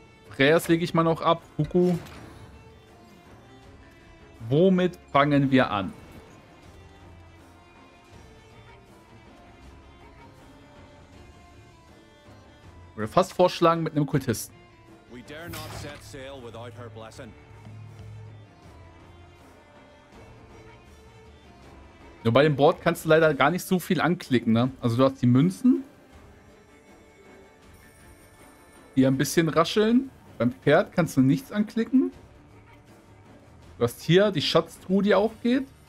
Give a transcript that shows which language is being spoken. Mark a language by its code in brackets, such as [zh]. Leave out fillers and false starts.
[de] Präas lege ich mal noch ab. Huku. Womit fangen wir an? Würde fast vorschlagen mit einem Kultisten. [en] We dare not set sail without her blessing. [de] Nur bei dem Board kannst du leider gar nicht so viel anklicken, ne? Also du hast die Münzen. Hier ein bisschen rascheln. Beim Pferd kannst du nichts anklicken. Du hast hier die Schatztruhe, die aufgeht.